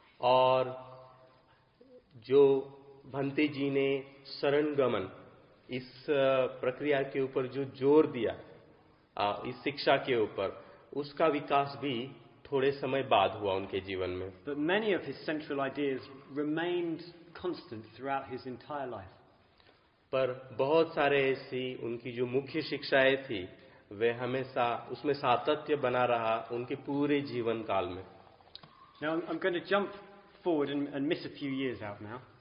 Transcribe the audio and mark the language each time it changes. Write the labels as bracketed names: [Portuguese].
[Hindi] और जो भंते जी ने शरण गमन इस प्रक्रिया के ऊपर जो जोर दिया इस शिक्षा के ऊपर, उसका विकास भी थोड़े समय बाद हुआ उनके जीवन में. [English] But many of his central ideas remained constant throughout his entire life. [Hindi] पर बहुत सारे ऐसी उनकी जो मुख्य शिक्षाएं थी वे हमेशा उसमें सातत्य बना रहा उनके पूरे जीवन काल में. [English] Now I'm going to jump forward and miss a few years out now.